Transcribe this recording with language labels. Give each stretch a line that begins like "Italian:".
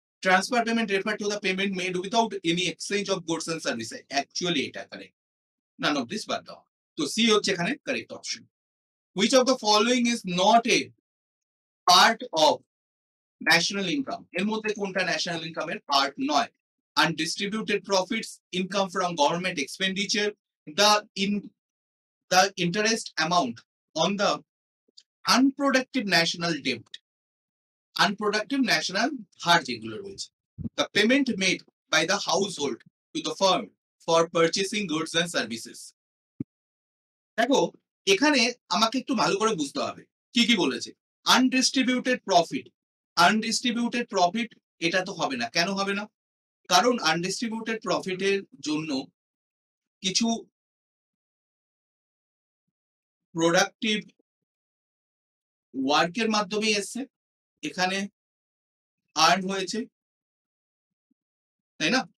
English: transfer payment refer to the payment made without any exchange of goods and service, actually
Bangla: এটা করে
English: none of this
Bangla: বাদ দাও। তো C হচ্ছে এখানে correct option.
English: which of the following is not a part of national income,
Bangla: এর মধ্যে কোনটা ন্যাশনাল ইনকাম এর পার্ট নয়।
English: Undistributed profits, income from government expenditure, the interest amount on the unproductive national debt, unproductive national debt, the payment made by the household to the firm for purchasing goods and services.
Bangla: দেখো এখানে আমাকে একটু ভালো করে বুঝতে হবে কি কি বলেছে। আনডিস্ট্রিবিউটেড প্রফিট, আনডিস্ট্রিবিউটেড প্রফিট এটা তো হবে না। কেন হবে না? কারণ আনডিস্ট্রিবিউটেড প্রফিটের জন্য কিছু প্রোডাক্টিভ ওয়ার্কের মাধ্যমে এসেছে, এখানে আর্ন হয়েছে, তাই না?